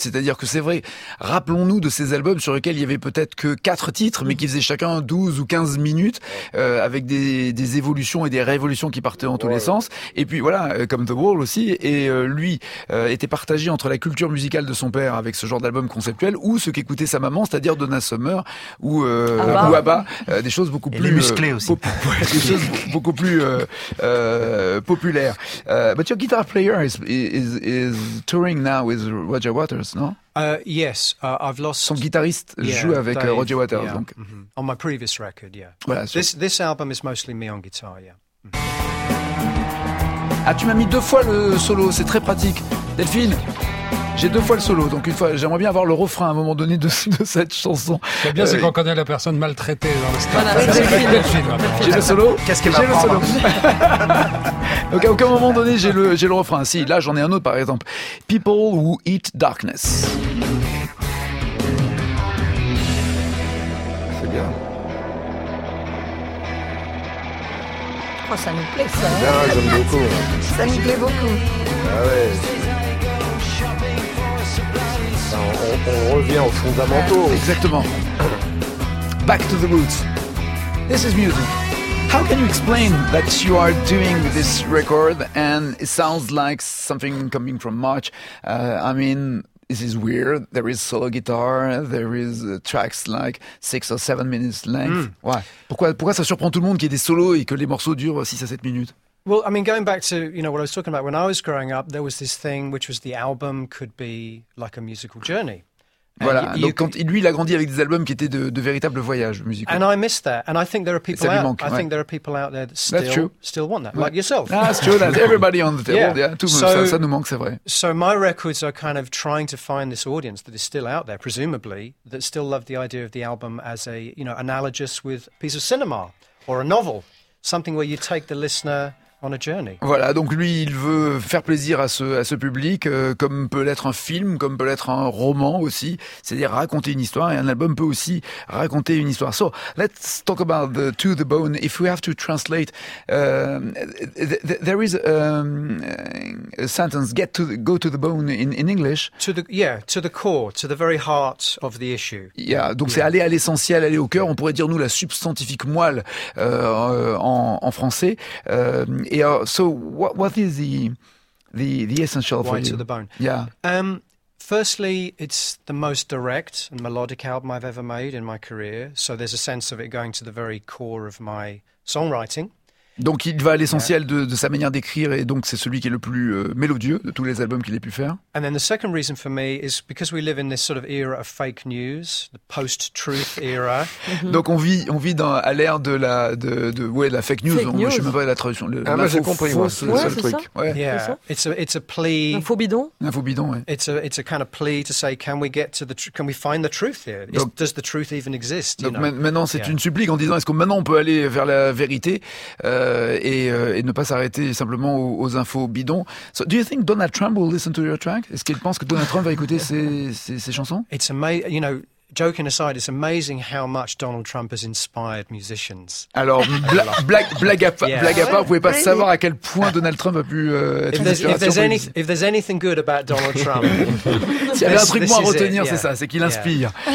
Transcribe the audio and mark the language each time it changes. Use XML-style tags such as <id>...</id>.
<fr>C'est-à-dire que c'est vrai, rappelons-nous de ces albums sur lesquels il y avait peut-être que 4 titres mais qui faisaient chacun 12 ou 15 minutes avec des évolutions et des révolutions qui partaient dans tous les sens. Et puis voilà, comme The Wall aussi, et lui était partagé entre la culture musicale de son père avec ce genre d'album conceptuel ou ce qu'écoutait sa maman, c'est-à-dire Donna Summer ou ABBA, des choses beaucoup et plus musclées aussi, des choses beaucoup plus populaires.</fr> <en>But your guitar player is touring now with Roger Waters, no? Yes, I've lost.</en> <fr>Son guitariste joue avec Roger Waters. Yeah. Donc.</fr> <en>Mm-hmm. On my previous record, yeah. Voilà, this album is mostly me on guitar, yeah.</en> <fr>Ah, tu m'as mis deux fois le solo, c'est très pratique. Delphine, j'ai deux fois le solo, donc une fois, j'aimerais bien avoir le refrain à un moment donné de cette chanson. C'est bien, c'est qu'on connaît la personne maltraitée dans le stade. Voilà, Delphine, j'ai le solo. Qu'est-ce qu'elle j'ai va prendre Donc à aucun moment donné, j'ai le refrain. Si, là, j'en ai un autre, par exemple.</fr> <en>People Who Eat Darkness.</en> <fr>C'est bien. Oh, ça nous plaît, ça. Non, hein, j'aime beaucoup. Ça nous plaît beaucoup. Ah ouais. Ben, on revient aux fondamentaux.</fr> <en>Exactement. Back to the roots. This is music. How can you explain that you are doing this record and it sounds like something coming from March? I mean, this is weird. There is solo guitar. There is tracks like 6 or 7 minutes length. Mm. Why?</en> <fr>Pourquoi ça surprend tout le monde qu'il y ait des solos et que les morceaux durent 6 à 7 minutes?</fr> <en>Well, I mean, going back to, you know, what I was talking about, when I was growing up, there was this thing which was the album could be like a musical journey.</en> <fr>Voilà, and donc quand lui, il a grandi avec des albums qui étaient de véritables voyages musicaux.</fr> <en>And I miss that. And I think there are people out there that still want that, like yourself. Ah, that's true. That's everybody on the table. Yeah, yeah,</en> <fr>tout le monde. Ça nous manque, c'est vrai.</fr> <en>So my records are kind of trying to find this audience that is still out there, presumably, that still love the idea of the album as a, you know, analogous with a piece of cinema or a novel, something where you take the listener on a journey.</en> <fr>Voilà, donc lui, il veut faire plaisir à ce public, comme peut l'être un film, comme peut l'être un roman aussi. C'est-à-dire raconter une histoire, et un album peut aussi raconter une histoire.</fr> <en>So let's talk about the To the Bone. If we have to translate, there is a sentence: go to the bone in English. To the core, to the very heart of the issue.</en> <fr>Yeah, donc c'est aller à l'essentiel, aller au cœur. Yeah. On pourrait dire nous la substantifique moelle en français.</fr> <en>So what is the essential right for you? Right to the bone. Yeah. Firstly, it's the most direct and melodic album I've ever made in my career. So there's a sense of it going to the very core of my songwriting.</en> <fr>Donc il va à l'essentiel de sa manière d'écrire, et donc c'est celui qui est le plus mélodieux de tous les albums qu'il ait pu faire.</fr> <en>And then the second reason for me is because we live in this sort of era of fake news, the post-truth era.</en> <fr>Donc on vit dans à l'ère de la de ouais, la fake news. Fake news. Je ne sais même pas la traduction. Ah mais j'ai compris moi. Ouais, c'est truc. Ça. Ouais. Yeah. C'est</fr> <en>ça. It's a plea.</en> <fr>Un faux bidon. Ouais.</fr> <en>It's a kind of plea to say, can we get to the can we find the truth here? Donc, does the truth even exist?</en> <fr>Donc maintenant c'est une supplique en disant, est-ce que maintenant on peut aller vers la vérité? Et ne pas s'arrêter simplement aux infos bidons.</fr> <en>So, do you think Donald Trump will listen to your track?</en> <fr>Est-ce qu'il pense que Donald Trump va écouter ses chansons?</fr> <en>It's amazing, you know. Joking aside, it's amazing how much Donald Trump has inspired musicians.</en> <fr>Alors, blague à part, vous pouvez pas savoir à quel point Donald Trump a pu être une inspiration.</fr> <en>If there's anything good about Donald Trump,</en> <fr>s'il y avait un truc bon à retenir, c'est ça, c'est qu'il inspire.</fr>